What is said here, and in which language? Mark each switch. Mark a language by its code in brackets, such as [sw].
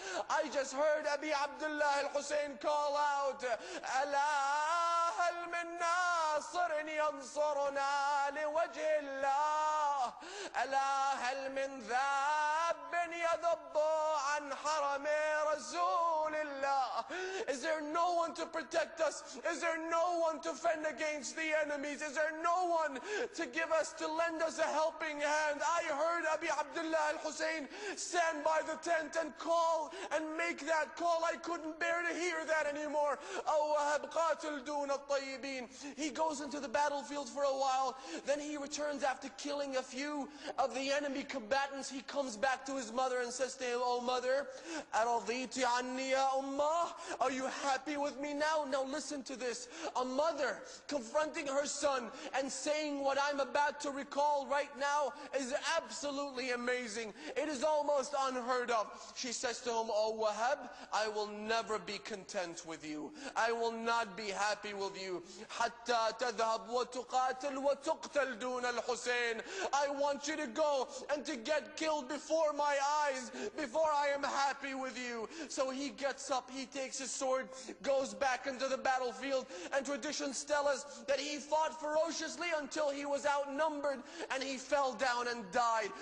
[en] I just heard أبي عبد الله الحسين call out. [ar] ألا هل من ناصر ينصرنا لوجه الله؟ ألا هل من ذاب يذب عن حرم رسول الله؟ [en] Is there no one to protect us? Is there no one to fend against the enemies? Is there no one to give us, to lend us a helping hand? I heard Abi Abdullah al-Hussein stand by the tent and call and make that call. I couldn't bear to hear that anymore. Wahab [ar] qatil dun al-tayyibin. [en] He goes into the battlefield for a while. Then he returns after killing a few of the enemy combatants. He comes back to his mother and says to him, Oh mother, [ar] araditi anni ya ummah? [en] Are you happy with me now? Now listen to this. A mother confronting her son and saying what I'm about to recall right now is absolutely amazing. It is almost unheard of. She says to him, Oh Wahab, I will never be content with you. I will not be happy with you. [ar] حتى تذهب وتقاتل وتقتل دون الحسين. [en] I want you to go and to get killed before my eyes, before I am happy with you. So he gets up, he takes his sword, goes back into the battlefield, and traditions tell us that he fought ferociously until he was outnumbered and he fell down and died.